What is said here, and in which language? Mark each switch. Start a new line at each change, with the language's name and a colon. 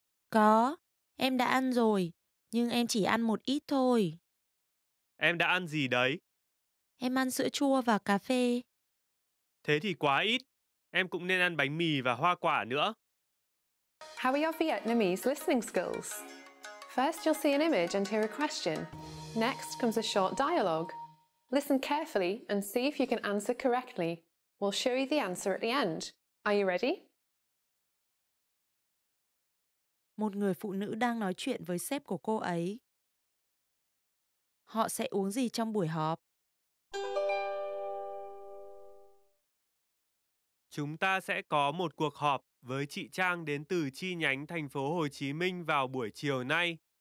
Vietnamese: Có, em đã ăn rồi, nhưng em chỉ ăn một ít thôi. Em đã ăn gì đấy? Em ăn sữa chua và cà phê. Thế thì quá ít, em cũng nên ăn bánh mì và hoa quả nữa.
English: How are your Vietnamese listening skills? First, you'll see an image and hear a question. Next comes a short dialogue. Listen carefully and see if you can answer correctly. We'll show you the answer at the end. Are you ready?
Vietnamese: Một người phụ nữ đang nói chuyện với sếp của cô ấy. Họ sẽ uống gì trong buổi họp? Chúng ta sẽ có một cuộc họp với chị Trang đến từ chi nhánh thành phố Hồ Chí Minh vào buổi chiều nay.